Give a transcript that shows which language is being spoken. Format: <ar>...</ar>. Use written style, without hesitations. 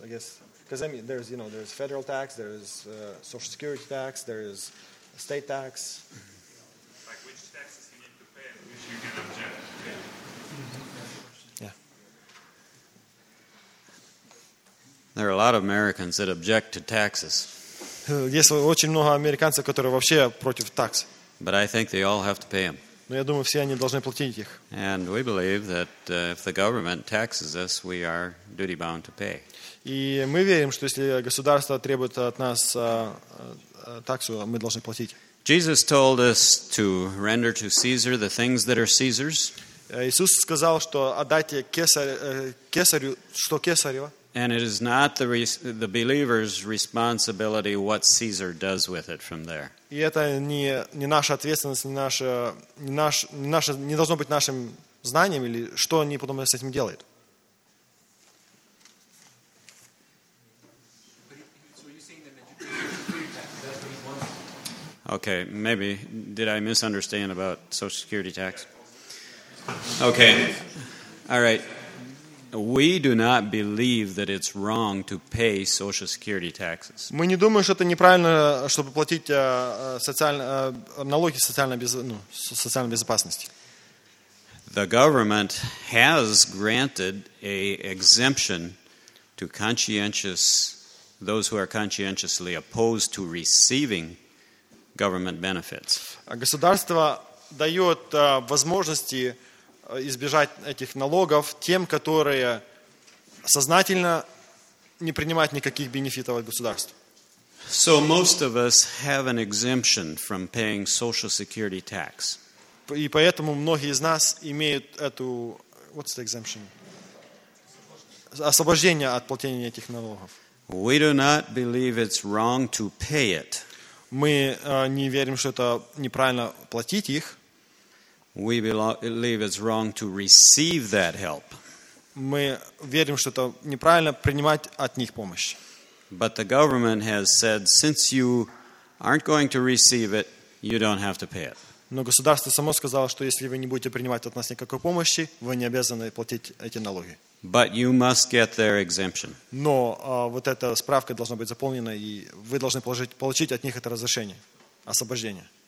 <en>I guess because I mean, there's federal tax, there's social security tax, there is state tax. There are a lot of Americans that object to taxes.</en> <ru>Есть очень много американцев, которые вообще против такс.</ru> <en>But I think they all have to pay them.</en> <ru>Но я думаю, все они должны платить их.</ru> <en>And we believe that if the government taxes us, we are duty bound to pay.</en> <ru>И мы верим, что если государство требует от нас таксу, мы должны платить.</ru> <en>Jesus told us to render to Caesar the things that are Caesar's.</en> <ru>Иисус сказал, что отдайте кесарю, что кесарево.</ru> <en>And it is not the believer's responsibility what Caesar does with it from there.</en> <ru>И это не наша ответственность, не наше не должно быть нашим знанием или что они потом с этим делают.</ru> <en>Okay, maybe did I misunderstand about Social Security tax? Okay, all right. We do not believe that it's wrong to pay Social Security taxes.</en> <ru>Мы не думаем, что это неправильно, чтобы платить налоги социальной безопасности.</ru> <en>The government has granted a exemption to those who are conscientiously opposed to receiving government benefits.</en> <ru>Государство дает возможности избежать этих налогов тем, которые сознательно не принимают никаких бенефитов от государства.</ru> <en>So most of us have an exemption from paying Social Security tax.</en> <ru>И поэтому многие из нас имеют эту</ru> <en>what's the exemption?</en> <ru>Освобождение от платения этих налогов.</ru> <en>We do not believe it's wrong to pay it.</en> <ru>Мы не верим, что это неправильно платить их.</ru> <en>We believe it's wrong to receive that help.</en> <ru>Мы верим, что это неправильно принимать от них помощь.</ru> <en>But the government has said, since you aren't going to receive it, you don't have to pay it.</en> <ru>Но государство само сказало, что если вы не будете принимать от нас никакой помощи, вы не обязаны платить эти налоги.</ru> <en>But you must get their exemption.</en> <ru>Но вот эта справка должна быть заполнена, и вы должны получить от них это разрешение, освобождение.</ru>